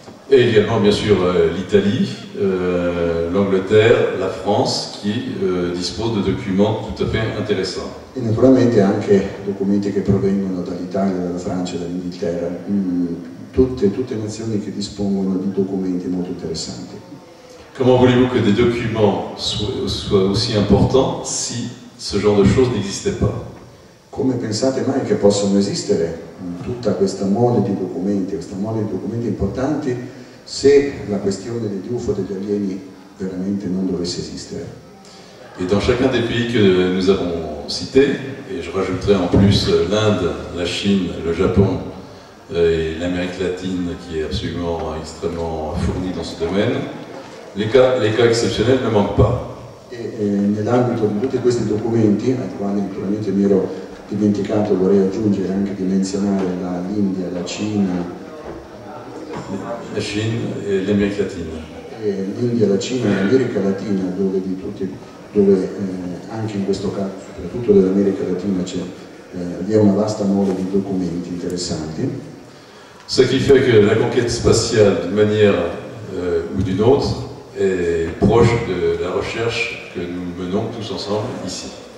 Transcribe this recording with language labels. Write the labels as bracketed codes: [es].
[fr] E également, bien sûr, l'Italie, l'Angleterre, la France, qui dispose de documents tout à fait intéressants. [it] E naturalmente anche documenti che provengono dall'Italia, dalla Francia, dall'Inghilterra, tutte nazioni che dispongono di documenti molto interessanti. [fr] Comment voulez-vous que des documents soient aussi importants si ce genre de choses n'existait pas? [it] Come pensate mai che possano esistere tutta questa mole di documenti importanti se la questione degli UFO, degli alieni, veramente non dovesse esistere? [fr] E dans chacun des pays que nous avons cités, et je rajouterai en plus l'Inde, la Chine, le Japon et l'Amérique latine qui est absolument extrêmement fournie dans ce domaine, les cas exceptionnels ne manquent pas. [it] E nell'ambito di tutti questi documenti, ai quali naturalmente mi ero dimenticato, vorrei aggiungere anche di menzionare l'India, la Cina. La Cina e l'America Latina. L'India, la Cina e l'America Latina, dove anche in questo caso, soprattutto dell'America Latina, c'è vi è una vasta mole di documenti interessanti. [fr] Ce qui fait que la conquête spatiale, d'une manière ou d'une autre, est proche de la recherche que nous menons tous ensemble ici.